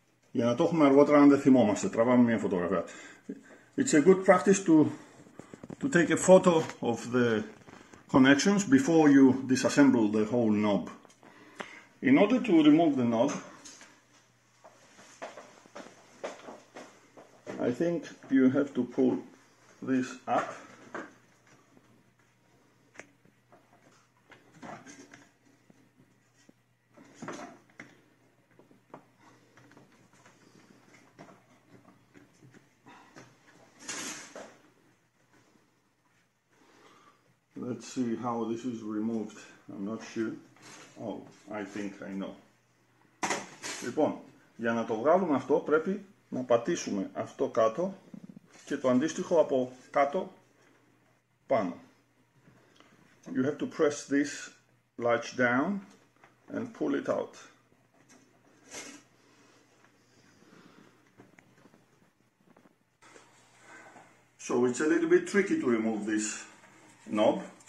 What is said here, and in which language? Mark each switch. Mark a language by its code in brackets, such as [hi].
[el] Για να το έχουμε αργότερα αν δεν θυμόμαστε. Τραβάμε μια φωτογραφία. [en] It's a good practice to take a photo of the connections before you disassemble the whole knob. In order to remove the knob, I think you have to pull this up. Let's see how this is removed. I'm not sure. Oh, I think I know. [el] Λοιπόν, για να το βγάλουμε αυτό πρέπει να πατήσουμε αυτό κάτω και το αντίστοιχο από κάτω πάνω. [en] You have to press this latch down and pull it out. So it's a little bit tricky to remove this knob.